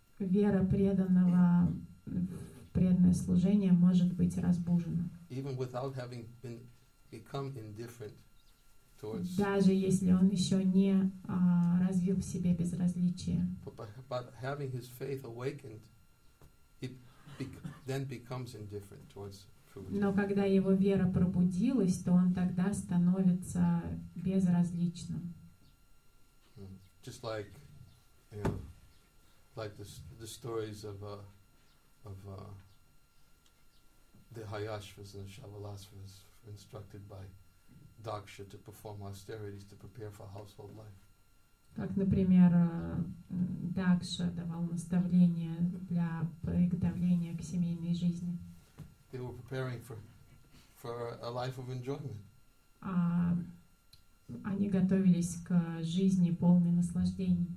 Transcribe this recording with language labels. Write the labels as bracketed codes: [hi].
[ru] Вера преданного в преданное служение может быть разбужена. [en] Even without having become indifferent [ru] даже если он еще не развил в себе безразличие. [en] But having his faith awakened, it then becomes indifferent towards food. [ru] Но когда его вера пробудилась, то он тогда становится безразличным. [en] Just like, you know, like the stories of the Hayashvas and the Shavalashvas instructed by Daksha to perform austerities to prepare for household life. [ru] Как, например, Дакша давал наставления для приготовления к семейной жизни. [en] They were preparing for a life of enjoyment. [ru] Они готовились к жизни полной наслаждений.